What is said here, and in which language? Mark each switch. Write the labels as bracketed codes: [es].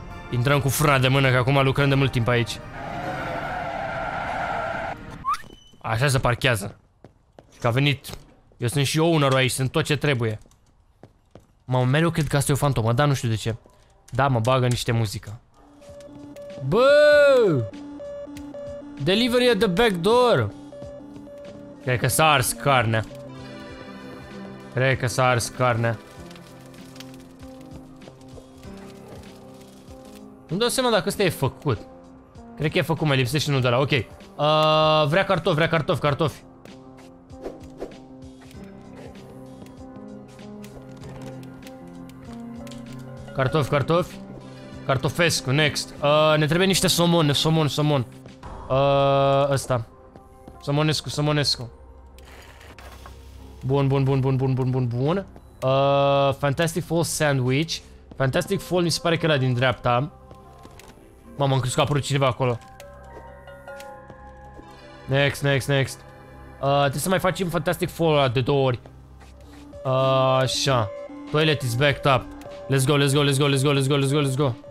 [ro] Intrăm cu frâna de mână, că acum lucrăm de mult timp aici. Așa se parchează. Și că a venit. Eu sunt și eu owner-ul aici, sunt tot ce trebuie. Mamă, mereu cred că asta e o fantomă, dar nu știu de ce. Da, mă bagă niște muzică. Bă! [en] Delivery at the back door. [ro] Cred că s-a ars carnea. Cred că s-a ars carnea. Nu-mi dau seama dacă ăsta e făcut. Cred că e făcut, mai lipsește unul de ăla, ok. Vrea cartofi, vrea cartofi, cartofi. Cartofi, cartofi. Cartofescu, next. Ne trebuie niște somon, somon, somon. Ăsta. Somonescu, somonescu. Bun, bun, bun, bun, bun, bun, bun, bun. [en] Fantastic Fall Sandwich. [ro] Fantastic Fall mi se pare că era din dreapta. Mamă, am crezut că a apărut cineva acolo. [en] Next, next, next. [ro] Trebuie să mai facem Fantastic Fall de două ori. [en] Așa. Toilet is backed up. Let's go, let's go, let's go, let's go, let's go, let's go, let's go.